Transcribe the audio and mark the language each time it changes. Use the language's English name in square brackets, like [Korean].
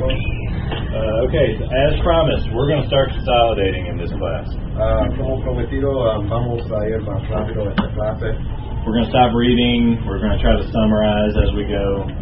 [English] Okay, so as promised, we're going to start consolidating in this class. [Spanish] Vamos a ir más rápido esta clase. [English] We're going to stop reading. We're going to try to summarize as we go.